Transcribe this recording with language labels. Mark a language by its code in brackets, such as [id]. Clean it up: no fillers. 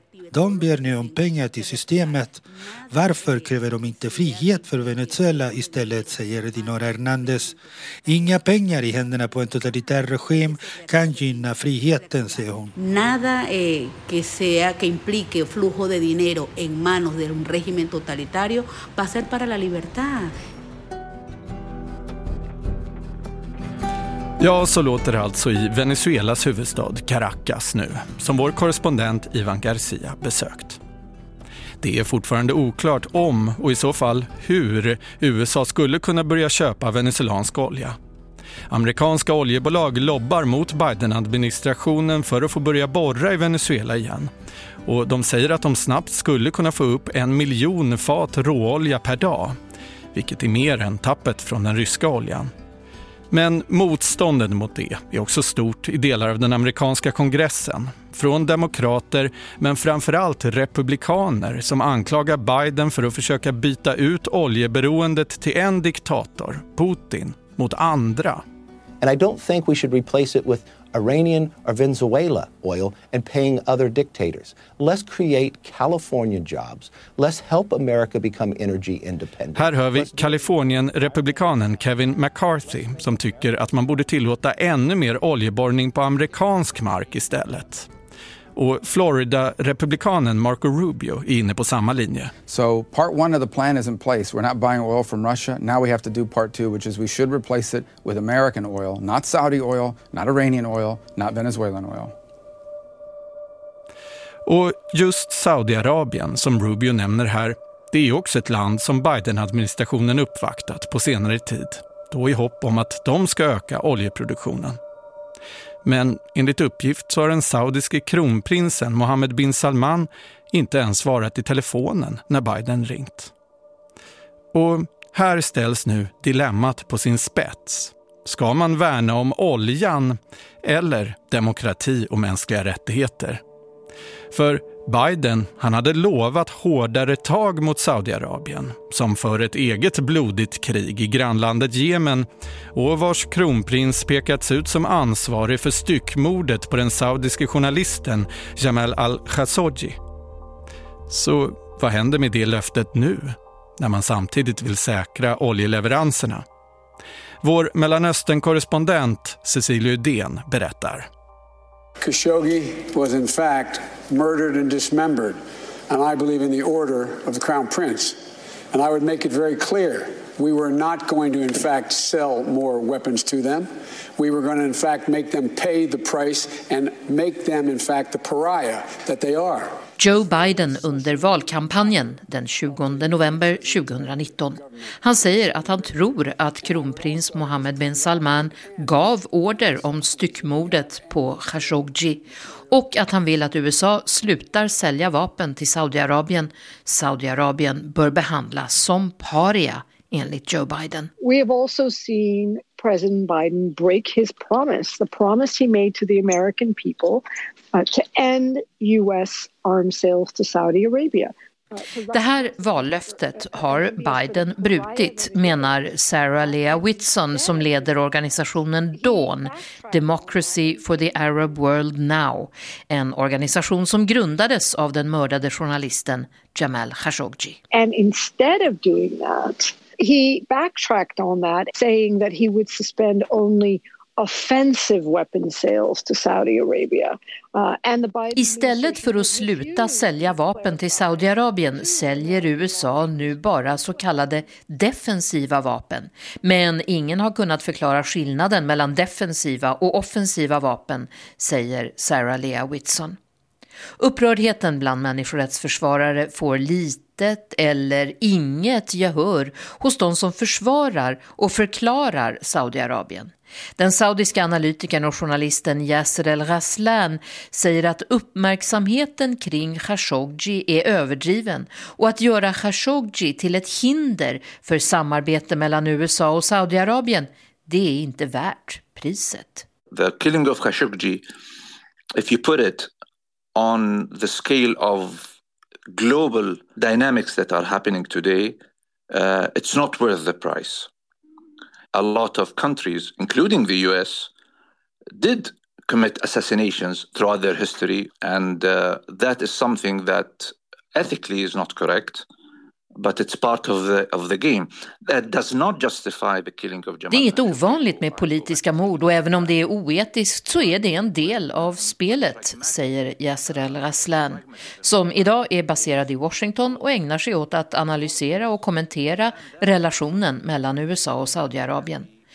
[sv] De ber nu om pengar till systemet. Varför kräver de inte frihet för Venezuela istället, säger Dinora Hernández. Inga pengar i händerna på en totalitär regim kan gynna friheten, säger hon. [es] Nada que sea que implique flujo de dinero en manos de un régimen totalitario va a ser para la libertad. [sv] Ja, så låter det alltså i Venezuelas huvudstad Caracas nu, som vår korrespondent Ivan Garcia besökt. Det är fortfarande oklart om, och i så fall hur, USA skulle kunna börja köpa venezuelansk olja. Amerikanska oljebolag lobbar mot Biden-administrationen för att få börja borra i Venezuela igen. Och de säger att de snabbt skulle kunna få upp 1 miljon fat råolja per dag, vilket är mer än tappet från den ryska oljan. Men motståndet mot det är också stort i delar av den amerikanska kongressen. Från demokrater, men framförallt republikaner, som anklagar Biden för att försöka byta ut oljeberoendet till en diktator, Putin, mot andra. [en] And I don't think we should replace it with Iranian or Venezuela oil and paying other dictators. Let's create California jobs. Let's help America become energy independent. [sv] Här hör vi Kalifornien-republikanen Kevin McCarthy som tycker att man borde tillåta ännu mer oljeborrning på amerikansk mark istället. Och Florida-republikanen Marco Rubio är inne på samma linje. [en] So part one of the plan is in place. We're not buying oil from Russia. Now we have to do part two, which is we should replace it with American oil. Not Saudi oil, not Iranian oil, not Venezuelan oil. [sv] Och just Saudiarabien, som Rubio nämner här, det är också ett land som Biden-administrationen uppvaktat på senare tid. Då i hopp om att de ska öka oljeproduktionen. Men enligt uppgift så har den saudiske kronprinsen Mohammed bin Salman inte ens svarat i telefonen när Biden ringt. Och här ställs nu dilemmat på sin spets. Ska man värna om oljan eller demokrati och mänskliga rättigheter? För Biden, han hade lovat hårdare tag mot Saudiarabien, som för ett eget blodigt krig i grannlandet Jemen och vars kronprins pekats ut som ansvarig för styckmordet på den saudiske journalisten Jamal al-Khashoggi. Så vad händer med det löftet nu, när man samtidigt vill säkra oljeleveranserna? Vår Mellanöstern-korrespondent Cecilia Udén berättar. [en] Khashoggi was in fact murdered and dismembered, and I believe in the order of the crown prince. And I would make it very clear, we were not going to in fact sell more weapons to them. We were going to in fact make them pay the price and make them in fact the pariah that they are. [sv] Joe Biden under valkampanjen den 20 november 2019. Han säger att han tror att kronprins Mohammed bin Salman gav order om styckmordet på Khashoggi och att han vill att USA slutar sälja vapen till Saudiarabien. Saudiarabien bör behandlas som paria enligt Joe Biden. [en] We have also seen President Biden break his promise, the promise he made to the American people. To end U.S. arms sales to Saudi Arabia. [sv] Det här vallöftet har Biden brutit, menar Sarah Leah Whitson som leder organisationen DAWN, Democracy for the Arab World Now, en organisation som grundades av den mördade journalisten Jamal Khashoggi. [en] And instead of doing that, he backtracked on that, saying that he would suspend only offensive weapon sales to Saudi Arabia. [sv] Istället för att sluta sälja vapen till Saudiarabien säljer USA nu bara så kallade defensiva vapen. Men ingen har kunnat förklara skillnaden mellan defensiva och offensiva vapen, säger Sarah Leah Whitson. Upprördheten bland människorättsförsvarare får litet eller inget gehör hos de som försvarar och förklarar Saudiarabien. Den saudiska analytikern och journalisten Yasser el-Raslan säger att uppmärksamheten kring Khashoggi är överdriven och att göra Khashoggi till ett hinder för samarbete mellan USA och Saudiarabien, det är inte värt priset. [en] The killing of Khashoggi, if you put it on the scale of global dynamics that are happening today, it's not worth the price. A lot of countries, including the US, did commit assassinations throughout their history, and that is something that ethically is not correct, but it's part of the game. That does not justify the killing of Jamal. [sv] Det är inte ovanligt med politiska mord, och även om det är oetiskt så är det en del av spelet, säger Yasser el-Raslan, som idag är baserad i Washington och ägnar sig åt att analysera och kommentera relationen mellan USA och Saudiarabien.